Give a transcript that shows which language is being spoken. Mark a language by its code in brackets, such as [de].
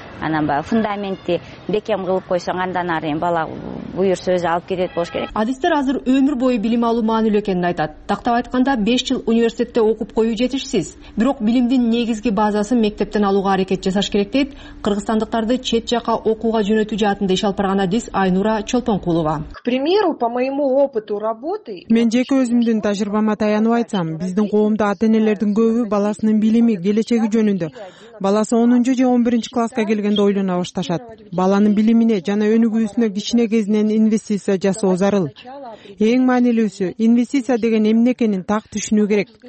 [ky] Анан баягы фундаментти бекем кылып койсоң, андан ары эми бала буюрса өзү алып кетет болуш керек. Адистер азыр өмүр бою билим алуу маанилүү экенин айтат. Тактап айтканда 5 жыл университетте окуп коюу жетишсиз. Бирок билимдин негизги базасын мектептен алууга аракет жасаш керек дейт. Кыргызстандыктарды чет жака окууга жөнөтүү жаатында иш алып барган адис Айнура Чолпонкулова. [ru] К примеру, по моему опыту работы. [ky] Мен жеке өзүмдүн тажрыйбама таянып айтсам, биздин коомдо ата-энелердин көбү баласынын билими, келечеги жөнүндө баласы 10-жу же 11-чи класска келгенде ойлоно башташат. Баланын билимине жана өнүгүүсүнө кичине кезинен инвестиция жасоо зарыл. Эң маанилүүсү, инвестиция деген эмне экенин так түшүнүү керек.